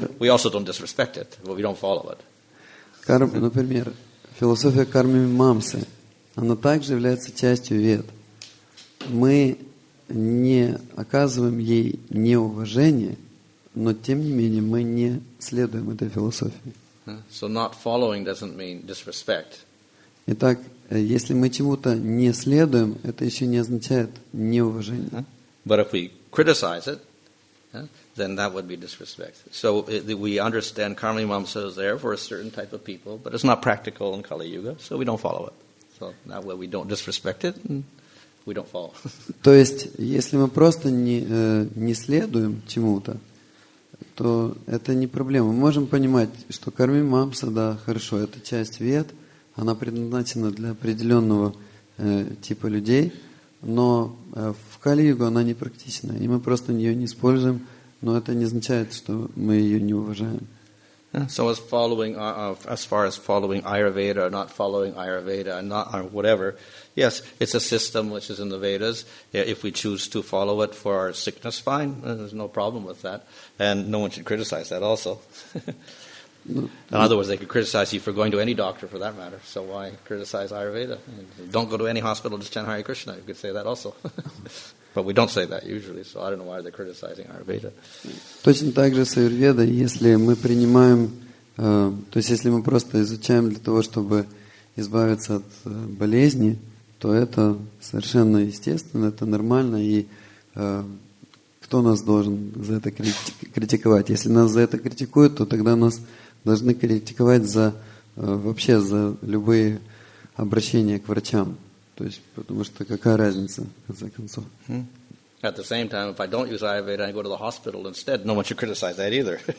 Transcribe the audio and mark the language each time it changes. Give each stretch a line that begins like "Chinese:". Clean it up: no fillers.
English: but we also don't disrespect it, but we don't follow it.
Russian: Например, философия кармы мамсы, она также является частью вед. Мы не оказываем ей неуважение, но тем не менее мы не следуем этой философии.
English: So not following doesn't mean disrespect.
Russian: Итак, если мы чему-то не следуем, это еще не означает неуважение.
English: But if we criticize it, then that would be disrespect. So we understand karma mimamsa is there for a certain type of people, but it's not practical in Kali Yuga, so we don't follow it. So that way we don't disrespect it, and we don't follow.
Russian: То есть, если мы просто не следуем чему-то, то это не проблема. Мы можем понимать, что карма мимамса, да, хорошо, это часть вед, она предназначена для определенного типа людей, но в Кали Юге она не практична, и мы просто ее не используем. Но это не означает, что мы ее не уважаем.
English: So as following, as far as following Ayurveda or not following Ayurveda, not or whatever, yes, it's a system which is in the Vedas. If we choose to follow it for our sickness, fine. There's no problem with that, and no one should criticize that. Also, in other words, they could criticize you for going to any doctor, for that matter. So why criticize Ayurveda? Don't go to any hospital. Just chant Hare Krishna. You could say that also. But we don't say that usually, so I don't know why they're criticizing Ayurveda.
Russian: Точно так же с Аюрведой, если мы принимаем, то есть если мы просто изучаем для того, чтобы избавиться от болезни, то это совершенно естественно, это нормально, и кто нас должен за это критиковать? Если нас за это критикуют, то тогда нас должны критиковать за вообще за любые обращения к врачам. То есть, потому что какая разница, в конце концов.
English: At the same time, if I don't use Ayurveda, I go to the hospital instead, no one should criticize that either.